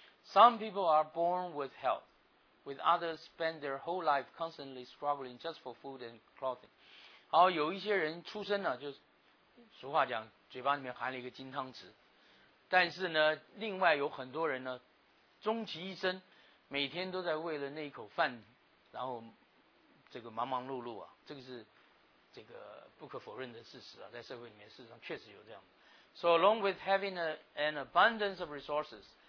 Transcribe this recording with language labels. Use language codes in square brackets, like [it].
[en] Some people are born with health, with others spend their whole life constantly struggling just for food and clothing. [zh] 好，有一些人出生呢、啊，就是俗话讲，嘴巴里面含了一个金汤匙，但是呢，另外有很多人呢，终其一生，每天都在为了那一口饭，然后这个忙忙碌碌啊，这个是这个不可否认的事实啊，在社会里面事实上确实有这样的。 [en] So along with having an abundance of resources.